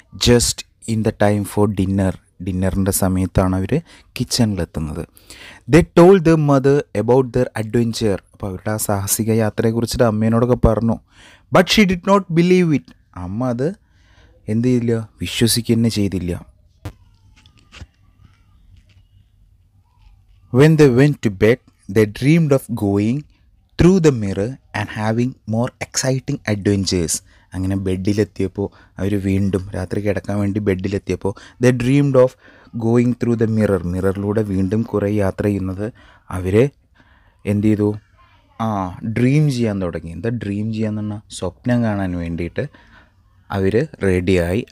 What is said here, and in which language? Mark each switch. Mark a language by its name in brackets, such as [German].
[English] Just in the time for dinner. [Malayalam] ഡിന്നറിൻ്റെ സമയത്താണ് അവർ കിച്ചണിലെത്തുന്നത്. [English] They told the mother about their adventure. [Malayalam] അപ്പോൾ അവരുടെ ആ സാഹസിക യാത്രയെക്കുറിച്ചിട്ട് അമ്മേനോടൊക്കെ പറഞ്ഞു. [English] But she did not believe it. [Malayalam] അമ്മ അത് എന്ത് ചെയ്തില്ല, വിശ്വസിക്കുന്നേ ചെയ്തില്ല. [English] When they went to bed, they dreamed of going through the mirror and having more exciting adventures. [Malayalam] അങ്ങനെ ബെഡിലെത്തിയപ്പോൾ അവർ വീണ്ടും രാത്രി കിടക്കാൻ വേണ്ടി ബെഡിലെത്തിയപ്പോൾ [English] They dreamed of going through the mirror. [Malayalam] മിററിലൂടെ വീണ്ടും കുറേ യാത്ര ചെയ്യുന്നത് അവർ എന്ത് ചെയ്തു, ഡ്രീം ചെയ്യാൻ തുടങ്ങി. എന്താ ഡ്രീം ചെയ്യാന്ന് പറഞ്ഞാൽ സ്വപ്നം കാണാൻ വേണ്ടിയിട്ട് അവർ റെഡിയായി.